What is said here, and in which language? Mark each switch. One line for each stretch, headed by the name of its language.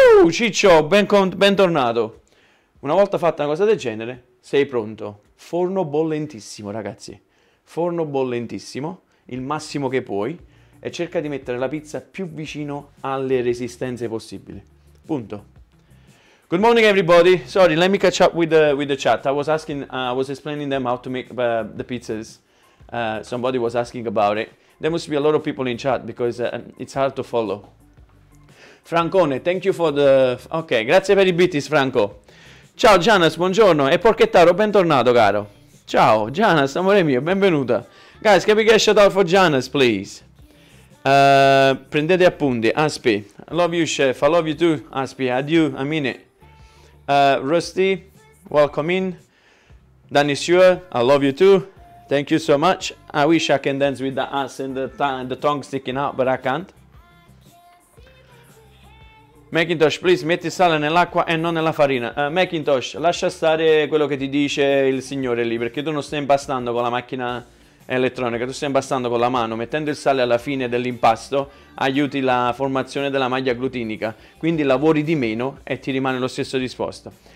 Italian: Ciccio, bentornato! Una volta fatta una cosa del genere, sei pronto. Forno bollentissimo, ragazzi. Forno bollentissimo, il massimo che puoi, e cerca di mettere la pizza più vicino alle resistenze possibili. Punto.
English: Good morning everybody. Sorry, let me catch up with the chat. I was explaining them how to make the pizzas. Somebody was asking about it. There must be a lot of people in chat because it's hard to follow. Francone, thank you for the...
Italian: Ok, grazie per i bitis,
English: Franco.
Italian: Ciao, Janas, buongiorno. E Porchettaro, bentornato, caro. Ciao, Janas, amore mio, benvenuta.
English: Guys, can we get a shout out for Janas, please?
Italian: Prendete appunti,
English: Aspi. I love you, chef. I love you too, Aspi. Adieu, I mean it. Rusty, welcome in. Danny Sewer, I love you too. Thank you so much. I wish I can dance with the ass and the tongue sticking out, but I can't.
Italian: Macintosh, please, metti sale nell'acqua e non nella farina. Macintosh, lascia stare quello che ti dice il signore lì, perché tu non stai impastando con la macchina elettronica, tu stai impastando con la mano. Mettendo il sale alla fine dell'impasto aiuti la formazione della maglia glutinica, quindi lavori di meno e ti rimane lo stesso disposto.